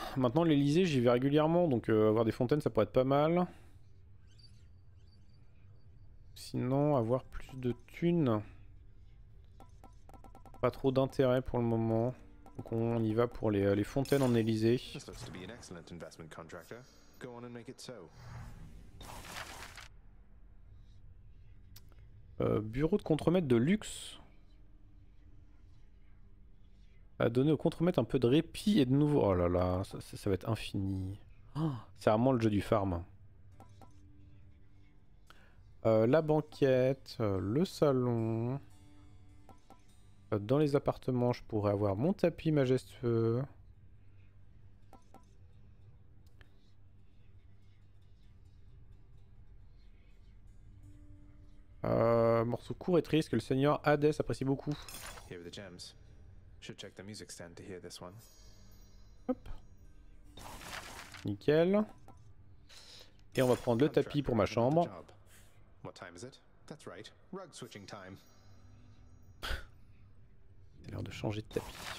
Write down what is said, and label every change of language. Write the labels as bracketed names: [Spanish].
[French] Maintenant l'Elysée j'y vais régulièrement, donc avoir des fontaines ça pourrait être pas mal. Sinon avoir plus de thunes. Pas trop d'intérêt pour le moment. Donc on y va pour les fontaines en Elysée. [English] This looks to be an excellent investment contractor. Go on and make it so. [French] Bureau de contremaître de luxe. À donner au contremaître un peu de répit et de nouveau. Oh là là, ça va être infini. Oh, c'est vraiment le jeu du farm. La banquette, le salon. Dans les appartements, je pourrais avoir mon tapis majestueux. Morceau court et triste que le seigneur Hadès apprécie beaucoup. [English] Here are the gems. Should check the music stand to hear this one. [French] Hop. Nickel. Et on va prendre le tapis pour ma chambre. [English] What time is it? That's right. Rug switching time. [French] C'est l'heure de changer de tapis.